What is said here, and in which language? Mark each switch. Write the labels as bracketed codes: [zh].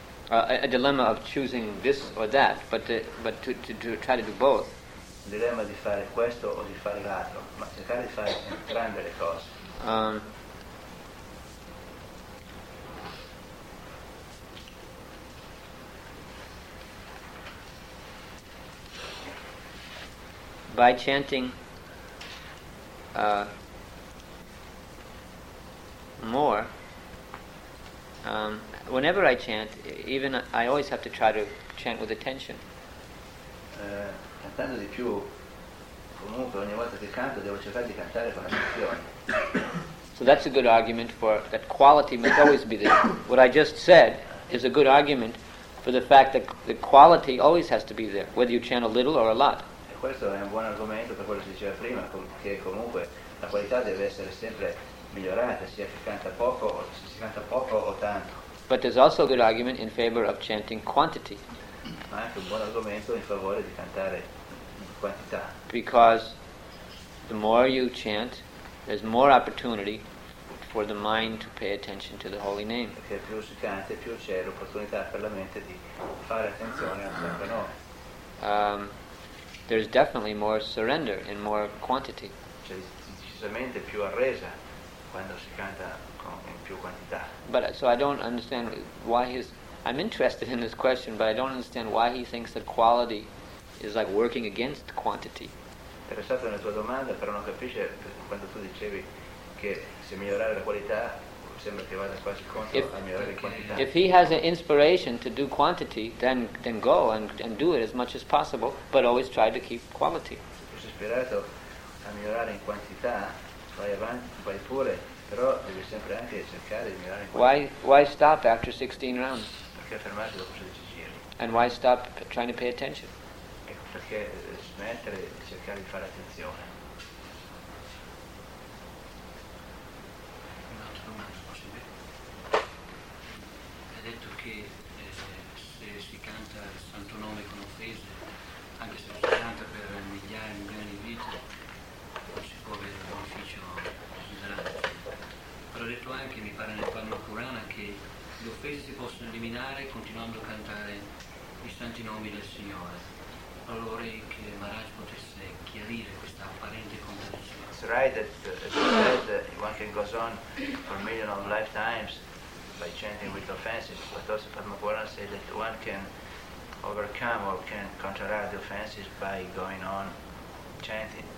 [en] A dilemma of choosing this or that, but to try to do both. [it] Un dilemma di fare questo o di fare l'altro, ma cercare di fare entrambe le cose. [en] By chanting more. Whenever I chant, even I always have to try to chant with attention. [it] Cantando di più, comunque ogni volta che canto devo cercare di cantare con attenzione. [en] So that's a good argument for that quality must always be there. What I just said is a good argument for the fact that the quality always has to be there, whether you chant a little or a lot. [it] E questo è un buon argomento per quello che si diceva prima, che comunque la qualità deve essere sempre migliorata, sia che canta poco o se si canta poco o tanto. [en] But there's also a good argument in favor of chanting quantity. [it] Ma anche un buon argomento in favore di cantare quantità. [en] Because the more you chant, there's more opportunity for the mind to pay attention to the holy name. [it] Perché più si canta, più c'è l'opportunità per la mente di fare attenzione al Santo Nome. [en] There's definitely more surrender and more quantity. [it] C'è decisamente più arresa quando si canta in più quantità. [en] But so I don't understand why he's. I'm interested in this question, but I don't understand why he thinks that quality is like working against quantity. [it] Interessato nella tua domanda, però non capisce quando tu dicevi che se migliorare la qualità sembra che vada quasi contro a migliorare la quantità. [en] If he has an inspiration to do quantity, then go and do it as much as possible, but always try to keep quality. [it] Se sei ispirato a migliorare in quantità, vai avanti, vai pure, però devi sempre anche cercare di migliorare in quantità. [en] Why stop after 16 rounds? [it] Perché fermarsi dopo 16 giri? [en] And why stop trying to pay attention? [it] Perché smettere di cercare di fare attenzione. Un'altra domanda, possibile? Hai detto che se si canta il santo nome con offese, anche se si canta per migliaia e milioni di vite, non si può avere un beneficio desiderato. Però ho detto anche, mi pare nel Padma Purana, che le offese si possono eliminare continuando a cantare i santi nomi del Signore. [en] It's right that said one can go on for millions of lifetimes by chanting with offenses, but also Padma Purana said that one can overcome or can counteract the offenses by going on chanting.